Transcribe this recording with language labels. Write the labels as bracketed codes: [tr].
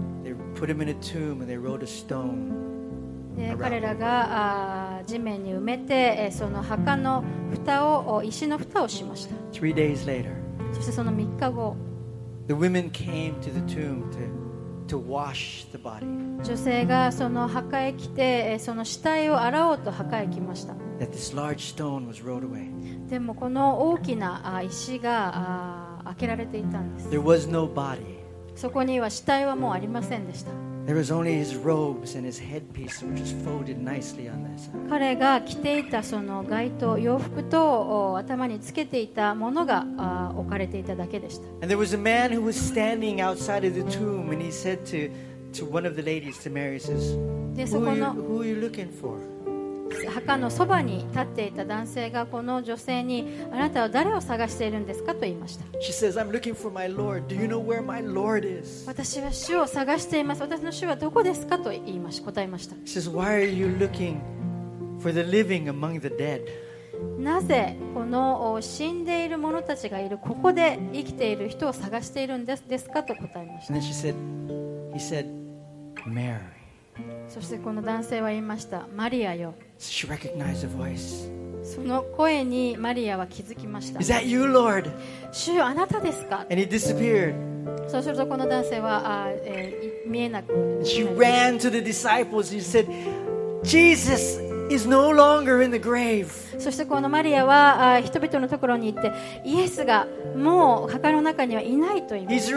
[en] they put him in a tomb and they rolled a stone. [ja] で彼らが地面に埋めてその墓の蓋を石の蓋をしました。 [en] Three days later, [ja] そしてその3日後、 [en] the women came to the tomb to wash the body. [ja] 女性がその墓へ来てその死体を洗おうと墓へ来ました。 [en] That this large stone was rolled away. [ja] でもこの大きな石が開けられていたんです。 [en] There was no body. [ja] そこには死体はもうありませんでした。 [en] There was only his robes and his headpiece, which was folded nicely on that side. [ja] 彼が着ていたその外套、洋服と頭につけていたものが置かれていただけでした。 [en] And there was a man who was standing outside of the tomb, and he said to one of the ladies, to Mary, says, "Who are you looking for?" [ja] 墓のそばに立っていた男性がこの女性に、あなたは誰を探しているんですかと言いました。 [en] She says, "I'm looking for my Lord. Do you know where my Lord is?" [ja] 私は主を探しています。私の主はどこですかと言いました。答えました。 [en] She says, "Why are you looking for the living among the dead?" [ja] なぜこの死んでいる者たちがいるここで生きている人を探しているんですかと答えました。 [en] And then she said, "He said, Mary." [ja] そしてこの男性は言いました、マリアよ。 [en] She recognized the voice. [ja] その声にマリアは気づきました。 [en] Is that you, Lord? [ja] 主あなたですか。 [en] And he disappeared. [ja] そうするとこの男性は見えなくなる。 [en] She ran to the disciples and said, "Jesus is no longer in the grave." [ja] そしてこのマリアは人々のところに行って、イエスがもう墓の中にはいないと言いました。